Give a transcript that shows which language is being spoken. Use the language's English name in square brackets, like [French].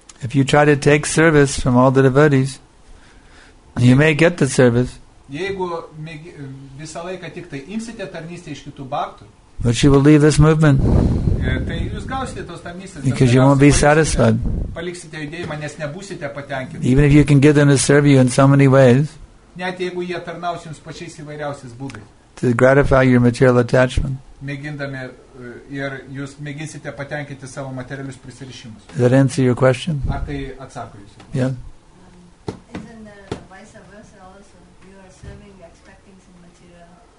[English] If you try to take service from all the devotees, you may get the service. [Lithuanian] Jeigu visą laiką tik tai imsite tarnystę iš kitų baktų, [English] but you will leave this movement. [Lithuanian] Tai jūs gausite tos tarnystės, [English] because you won't be satisfied. [Lithuanian] Paliksite judėjimą, nes nebūsite patenkinti. [English] Even if you can get them to serve you in so many ways, [Lithuanian] net jeigu jie tarnaus jums pačiais įvairiausiais būdais, [English] to gratify your material attachment. [Lithuanian] Mėgindami ir jūs mėginsite patenkinti savo materialius prisirišimus. [English] Does that answer your question? [Lithuanian] Ar tai atsako jūsų? [English] Yeah. Isn't that vice versa also? You are serving, expecting some material.